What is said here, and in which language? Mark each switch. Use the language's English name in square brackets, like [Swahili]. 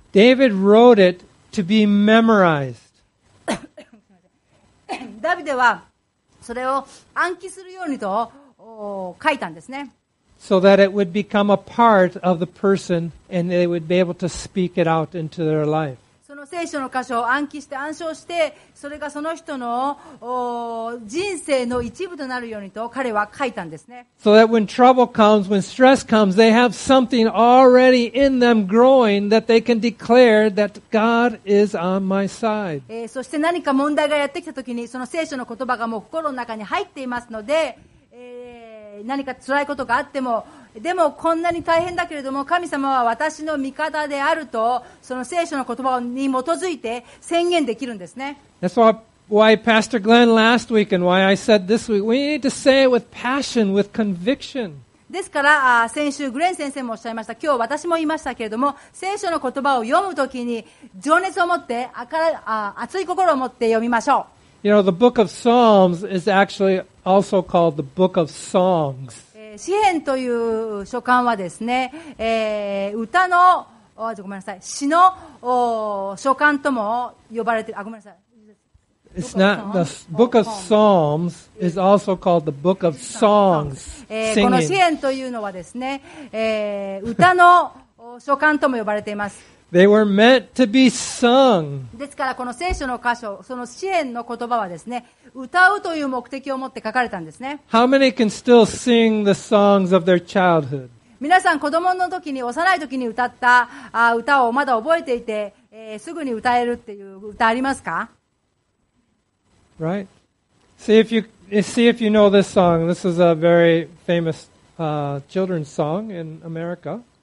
[English] David wrote it to be memorized. [Japanese] ダビデはそれを暗記するようにと書いたんですね。 [English] So that it would become a part of the person and they would be able to speak it out into their life. [Japanese] その聖書の箇所を暗記して暗唱してそれがその人の人生の一部となるようにと彼は書いたんですね。 [English] So that when trouble comes, when stress comes, they have something already in them growing that they can declare that God is on my side. [Japanese] そして何か問題がやってきた時にその聖書の言葉がもう心の中に入っていますので、何か辛いことがあってもでもこんなに大変だけれども神様は私の味方であるとその聖書の言葉に基づいて宣言できるんですね。 [English] That's why Pastor Glenn last week and why I said this week we need to say it with passion, with conviction. [Japanese] ですから先週グレン先生もおっしゃいました。今日私も言いましたけれども聖書の言葉を読むときに情熱を持って熱い心を持って読みましょう。 [English] You know, the book of Psalms is actually also called the book of songs. [Japanese] 詩編という書簡はですね、歌のごめんなさい、詩の書簡とも呼ばれている。ごめんなさい。 [English] It's not the book of Psalms is also called the book of songs. [Japanese] この詩編というのはですね、歌の書簡とも呼ばれています。 [English] They were meant to be sung. [Japanese] ですからこの聖書の箇所、その詩編の言葉はですね、歌うという目的を持って書かれたんですね。 [English] How many can still sing the songs of their childhood? [Japanese] 皆さん子供の時に幼い時に歌った歌をまだ覚えていて、すぐに歌えるっていう歌ありますか？ [English] Right. See if you know this song. This is a very famous children's song in America.